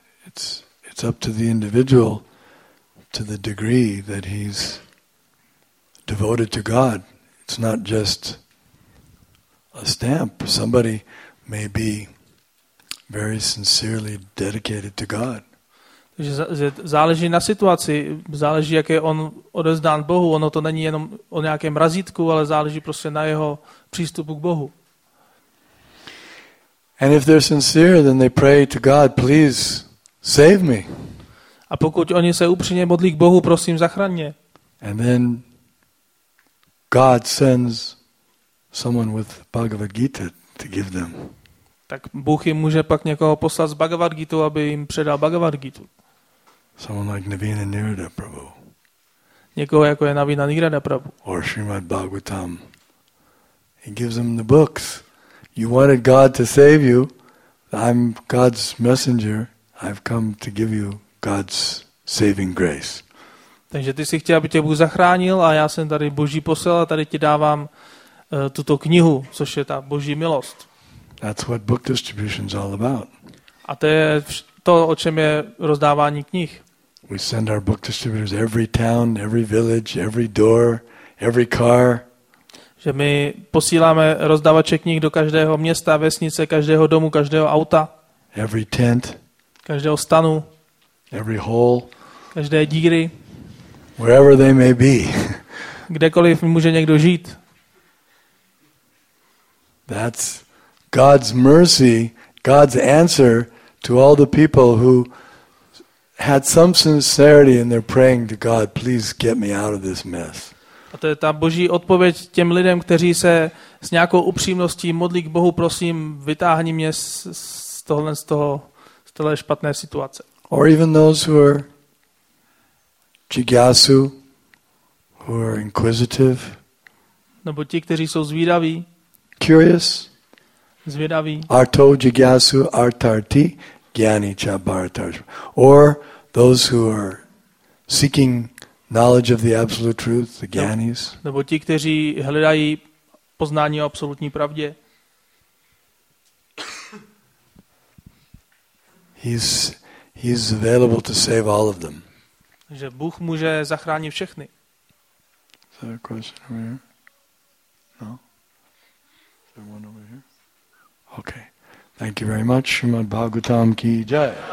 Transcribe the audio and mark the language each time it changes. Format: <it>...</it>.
<en>It's up to the individual, to the degree that he's devoted to God. It's not just a stamp. Somebody may be very sincerely dedicated to God.</en> <cs>Takže záleží na situaci, záleží, jak je on odevzdán Bohu. Ono to není jenom o nějakém razítku, ale záleží prostě na jeho přístupu k Bohu.</cs> <en>And if they're sincere, then they pray to God, please save me.</en> <cs>A pokud oni se upřímně modlí k Bohu, prosím, zachraň mě.</cs> <en>And then God sends someone with Bhagavad Gita to give them.</en> <cs>Tak Bůh jim může pak někoho poslat z Bhagavad Gita, aby jim předal Bhagavad Gita.</cs> <en>Someone like Navina Nirada Prabhu.</en> <cs>Někoho jako je Navina Nirada Prabhu.</cs> <en>Or Srimad Bhagavatam. He gives them the books. You wanted God to save you. I'm God's messenger. I've come to give you God's saving grace.</en> <cs>Takže ty jsi chtěl, aby tě Bůh zachránil, a já jsem tady Boží posel a tady ti dávám tuto knihu, což je ta Boží milost.</cs> <en>That's what book distribution's all about.</en> <cs>A to je to, o čem je rozdávání knih.</cs> <en>We send our book distributors every town, every village, every door, every car.</en> <cs>Že my posíláme rozdávače knih do každého města, vesnice, každého domu, každého auta.</cs> <en>Every tent.</en> <cs>Každého stanu.</cs> <en>Every hole.</en> <cs>Každé díry.</cs> <en>Wherever they may be.</en> <cs>Kdekoliv může někdo žít.</cs> <en>That's God's mercy, God's answer to all the people who had some sincerity in their praying to God, please get me out of this mess.</en> <cs>A to je ta Boží odpověď těm lidem, kteří se s nějakou upřímností modlí k Bohu, prosím, vytáhni mě z tohle špatné situace.</cs> <en>Or even those who are jigyasu, who are inquisitive.</en> <cs>Nebo ti, kteří jsou zvídaví.</cs> <en>Curious.</en> <cs>Zvědaví.</cs> <sa>Arto jigyasu artarti gyani cha bharatarjma.</sa> <en>Or those who are seeking knowledge of the absolute truth, the gyanis.</en> <cs>Nebo ti, kteří hledají poznání o absolutní pravdě.</cs> <en>He's available to save all of them.</en> <cs>Že Bůh může zachránit všechny.</cs> <en>Is there a question over here? No? Is there one over here? Okay. Thank you very much. Srimad Bhagavatam ki jai.</en>